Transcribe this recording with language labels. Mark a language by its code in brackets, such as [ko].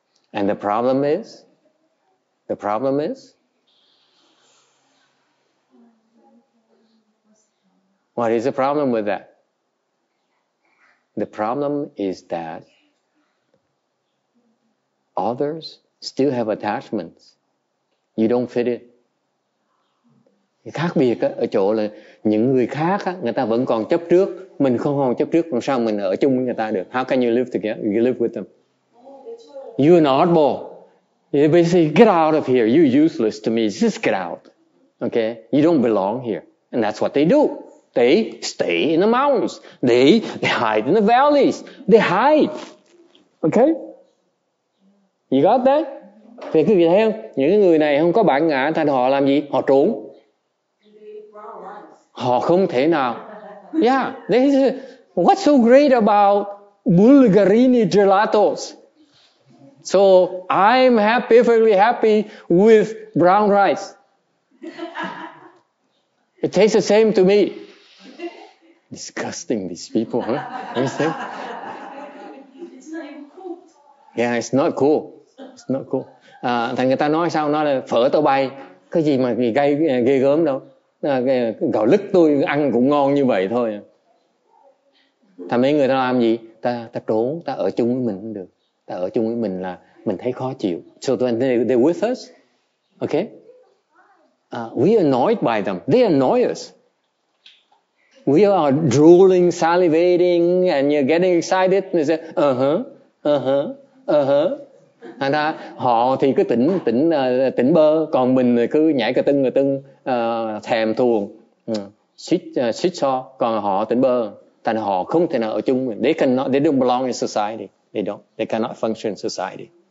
[en] And the problem is, what is the problem with that? The problem is that others still have attachments. You don't fit in. [vi] Khác biệt ở chỗ là những người khác người ta vẫn còn chấp trước, mình không còn chấp trước, làm sao mình ở chung với người ta được? [en] How can you live together? You live with them. You are not bold. You basically get out of here. You're useless to me. Just get out. Okay? You don't belong here. And that's what they do. They stay in the mountains. They hide in the valleys. They hide. Okay? You got that? [vi] Thì quý vị thấy không? Những người này không có bản ngã thành họ làm gì? Họ trốn. Họ không thể nào. Yeah. [en] They say, what's so great about Bulgarini gelatos? So I'm happy, perfectly happy with brown rice. It tastes the same to me. Disgusting, these people, huh? You see? It's not even cool. Yeah, it's not cool. It's not cool. [vi] Thằng người ta nói sao? Nó là phở tàu bay. Cái gì mà gây ghê gớm đâu? Gạo lứt tôi ăn cũng ngon như vậy thôi. Thằng mấy người ta làm gì? Ta trốn, ta ở chung với mình cũng được. Ta ở chung với mình là mình thấy khó chịu. [en] So they're with us. Okay? We are annoyed by them. They annoy us. We are drooling, salivating, and you're getting excited. And they say, [vi] thành ra họ thì cứ tỉnh bơ, còn mình cứ nhảy cà tưng, thèm thuồng, xích xo, còn họ tỉnh bơ. Thành họ không thể nào ở chung mình. [en] They don't belong in society. They don't. They cannot function in society.